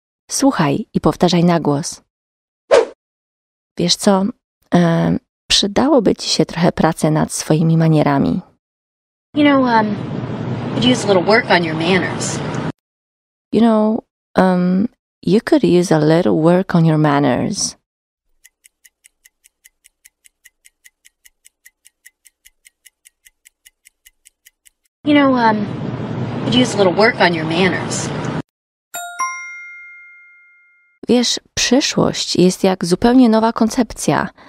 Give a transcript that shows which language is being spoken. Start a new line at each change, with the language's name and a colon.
Polish: Słuchaj i powtarzaj na głos. Wiesz co? Przydałoby ci się trochę pracy nad swoimi manierami.
English: You know, could use a little work on your manners. You know, you could use a little work on your manners. You know, could use a little work on your manners.
Polish: Wiesz, przyszłość jest jak zupełnie nowa koncepcja.